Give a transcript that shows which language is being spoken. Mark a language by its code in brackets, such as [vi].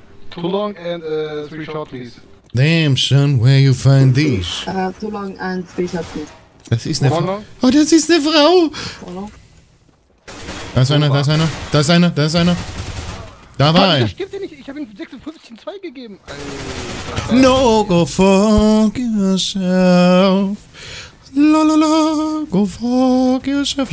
[en] Too long and three shot, please. Damn, son, where you find these? Too long and three shots, please. [de] Das ist eine Frau. Oh, das ist eine Frau! Da ist einer, da ist einer, da ist einer, da ist einer. Da war ein. Das stimmt ja nicht, ich hab ihm 56 und 2 gegeben. [en] No, go fuck yourself. Lalala, go fuck yourself.